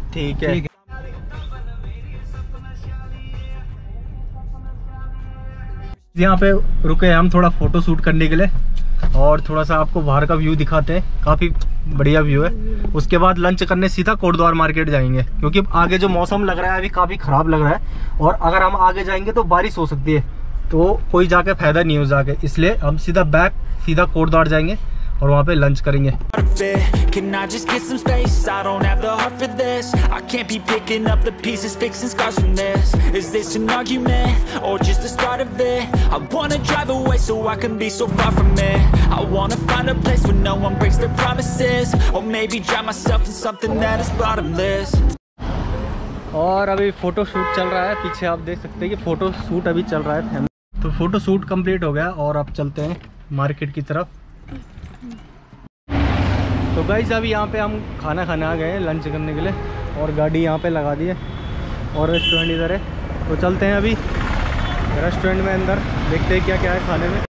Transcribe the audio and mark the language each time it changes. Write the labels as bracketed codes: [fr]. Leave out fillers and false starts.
[hi] ठीक है, यहाँ पे रुके हैं हम थोड़ा फोटो शूट करने के लिए और थोड़ा सा आपको बाहर का व्यू दिखाते हैं, काफी बढ़िया व्यू है। उसके बाद लंच करने सीधा कोटद्वार मार्केट जाएंगे क्योंकि आगे जो मौसम लग रहा है अभी काफी खराब लग रहा है और अगर हम आगे जाएंगे तो बारिश हो सकती है, तो कोई जाके फायदा नहीं है जाके, इसलिए हम सीधा बैक सीधा कोटद्वार जाएंगे और वहाँ पे लंच करेंगे। [en] Can I just get some space? I don't have the heart for this. I can't be picking up the pieces, fixing scars from this. Is this an argument or just the start of it? I wanna drive away so I can be so far from it. I wanna find a place where no one breaks their promises. Or maybe drown myself in something that is bottomless. [hi] और अभी photo shoot चल रहा है, पीछे आप देख सकते हैं कि फोटो शूट अभी चल रहा है। तो फोटो शूट कंप्लीट हो गया और अब चलते हैं मार्केट की तरफ। तो गाइस अभी यहाँ पे हम खाना खाने आ गए हैं लंच करने के लिए और गाड़ी यहाँ पे लगा दी है और रेस्टोरेंट इधर है, तो चलते हैं अभी रेस्टोरेंट में अंदर, देखते हैं क्या क्या है खाने में।